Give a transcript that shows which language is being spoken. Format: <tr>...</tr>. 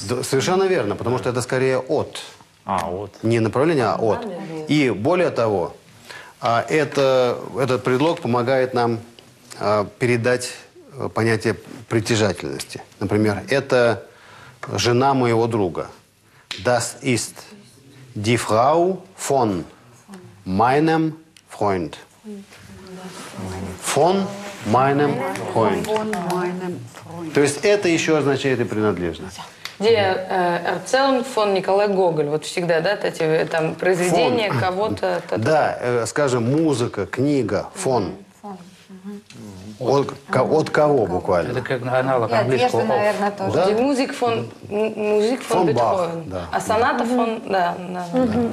<ru>Совершенно верно, потому что это скорее от. А от. Не направление, а от. И более того, этот предлог помогает нам передать понятие притяжательности. Например, это жена моего друга.</ru> <de>Das ist die Frau von meinem Freund. Von meinem Freund.</de> <ru>То есть это еще означает и принадлежность.</ru> <de>Die Erzählung von Николай Гоголь.</de> <ru>Вот всегда, да, эти там произведения</ru> <de>von.</de> <ru>Кого-то. Да, скажем, музыка, книга, фон. От кого буквально? Это как аналог английского. Нет, наверное, тоже. Да? Музик фон, музик фон Бетховен. Да. А соната да. Фон, да. Да. Да.</ru>